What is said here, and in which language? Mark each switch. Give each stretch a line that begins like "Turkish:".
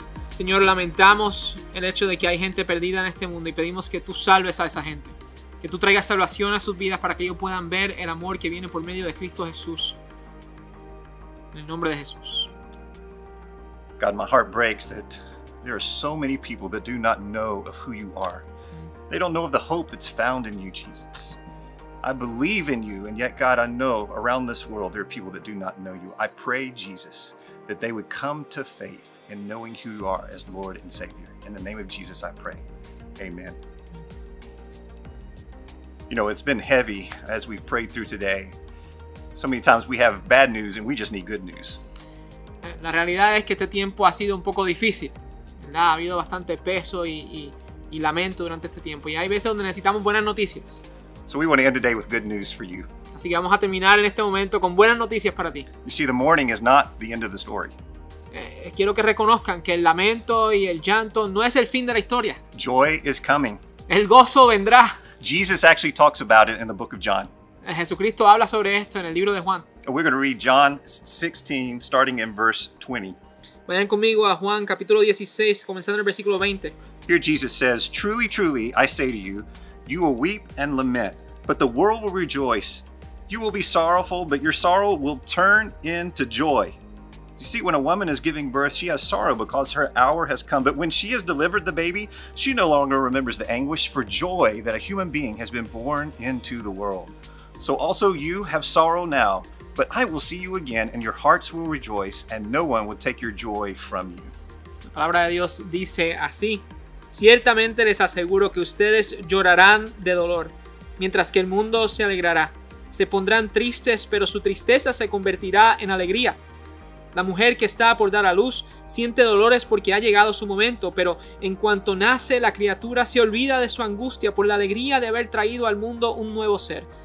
Spanish: Señor, lamentamos el hecho de que hay gente perdida en este mundo y pedimos que tú salves a esa gente. Que tú traigas salvación a sus vidas para que ellos puedan ver el amor que viene por medio de Cristo Jesús. En el nombre de Jesús.
English: God, my heart breaks that there are so many people that do not know of who you are. They don't know of the hope that's found in you, Jesus. I believe in you, and yet, God, I know around this world there are people that do not know you. I pray, Jesus, that they would come to faith in knowing who you are as Lord and Savior. In the name of Jesus, I pray. Amen. You know, it's been heavy as we've prayed through today. So many times we have bad news and we just need good news.
Spanish: La realidad es que este tiempo ha sido un poco difícil, ¿verdad? Ha habido bastante peso y lamento durante este tiempo. Y hay veces donde necesitamos buenas noticias.
English: So we want to end today with good news for you.
Spanish: Así que vamos a terminar en este momento con buenas noticias para ti.
English: You see, the mourning is not the end of the story.
Spanish: Quiero que reconozcan que el lamento y el llanto no es el fin de la historia.
English: Joy is coming.
Spanish: El gozo vendrá.
English: Jesus actually talks about it in the book of John.
Spanish: Jesucristo habla sobre esto en el libro de Juan.
English: We're going to read John 16, starting in verse 20.
Spanish: Vayan conmigo a Juan, capítulo 16, comenzando en el versículo 20.
English: Here Jesus says, "Truly, truly, I say to you, you will weep and lament, but the world will rejoice. You will be sorrowful, but your sorrow will turn into joy." You see, when a woman is giving birth, she has sorrow because her hour has come. But when she has delivered the baby, she no longer remembers the anguish for joy that a human being has been born into the world. So also you have sorrow now, but I will see you again, and your hearts will rejoice, and no one will take your joy from you.
Spanish: La palabra de Dios dice así: Ciertamente les aseguro que ustedes llorarán de dolor, mientras que el mundo se alegrará. Se pondrán tristes, pero su tristeza se convertirá en alegría. La mujer que está por dar a luz siente dolores porque ha llegado su momento, pero en cuanto nace, la criatura se olvida de su angustia por la alegría de haber traído al mundo un nuevo ser.